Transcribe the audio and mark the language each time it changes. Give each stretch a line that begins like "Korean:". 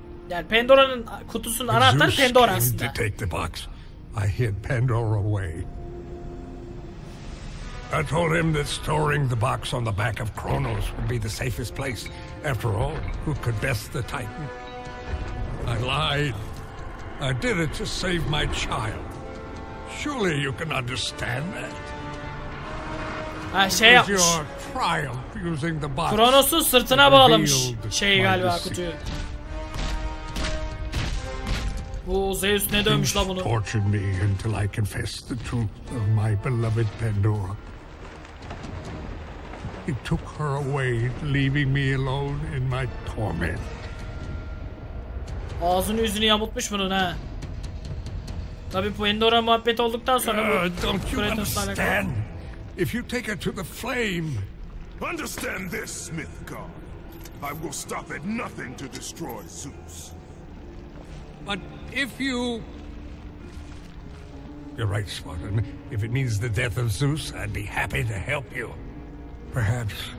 Turkish: Yani Pandora'nın kutusunun anahtarı Pandora aslında.
English: I hid Pandora away. I told him that storing the box on the back of Kronos would be the safest place. After all, who could best the Titan? I lied. I did it to save my child. Surely you can understand that.
Turkish: Şey yapmış.
English: Your triumph using the box.
Turkish: Kronos'u sırtına bağlamış şeyi galiba, kutuyu. Oo, Zeus ne dövmüş la bunu.
English: Tortured me until I confessed the truth of my beloved Pandora. He took her away, leaving me alone in my torment.
Turkish: Ağzını yüzünü yamutmuş bunun ha. Tabii bu Pandora muhabbet olduktan sonra bu Kratos'la alakalı.
English: If you take her to the flame, understand this, Smith God. I will stop at nothing to destroy Zeus. But if you... You're right, Spartan. If it means the death of Zeus, I'd be happy to help you. Perhaps.